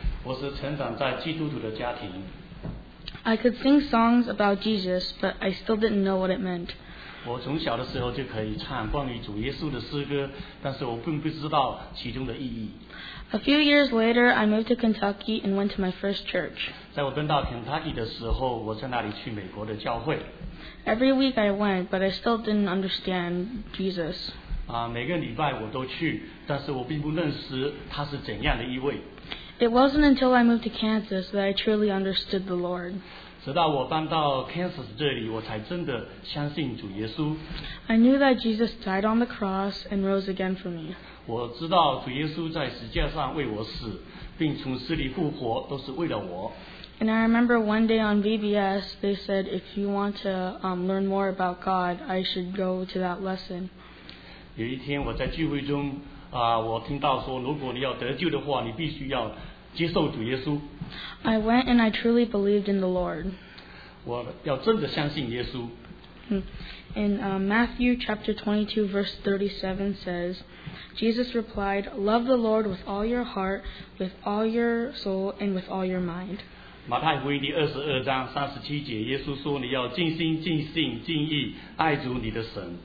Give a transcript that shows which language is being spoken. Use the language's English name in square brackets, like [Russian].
[Chinese] 我是成长在基督徒的家庭。 [English] I could sing songs about Jesus, but I still didn't know what it meant. [Chinese] 我从小的时候就可以唱关于主耶稣的诗歌，但是我并不知道其中的意义。 [English] A few years later, I moved to Kentucky and went to my first church. [Chinese] 在我跟到 Kentucky 的时候，我在那里去美国的教会。 [English] Every week I went, but I still didn't understand Jesus. [Chinese] 每个礼拜我都去，但是我并不认识他是怎样的一位。 [English] It wasn't until I moved to Kansas that I truly understood the Lord. [Chinese] 直到我搬到 Kansas 这里，我才真的相信主耶稣。 [English] I knew that Jesus died on the cross and rose again for me. [Chinese] 我知道主耶稣在十字架上为我死，并从死里复活，都是为了我。 [English] And I remember one day on VBS, they said, if you want to learn more about God, I should go to that lesson. [Chinese] 有一天我在聚会中我听到说如果你要得救的话你必须要接受主耶稣。 [English] I went and I truly believed in the Lord. [Chinese] 我要真的相信耶稣。 [English] In Matthew chapter 22 verse 37 says, Jesus replied, love the Lord with all your heart, with all your soul, and with all your mind. [Chinese] 马太福音第22章37节耶稣说你要尽心尽性尽意爱主你的神。